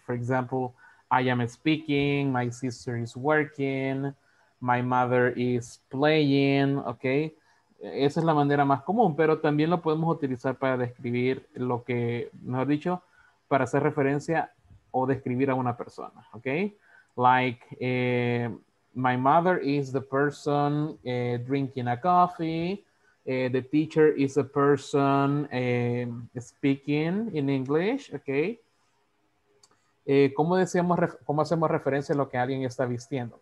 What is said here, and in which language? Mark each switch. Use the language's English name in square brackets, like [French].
[English] For example, I am speaking, my sister is working, my mother is playing, okay? [Spanish] Esa es la manera más común, pero también lo podemos utilizar para describir lo que, mejor dicho, para hacer referencia o describir a una persona, okay? [English] Like, my mother is the person drinking a coffee. The teacher is a person speaking in English, okay? [Spanish] ¿Cómo decíamos, cómo hacemos referencia a lo que alguien está vistiendo?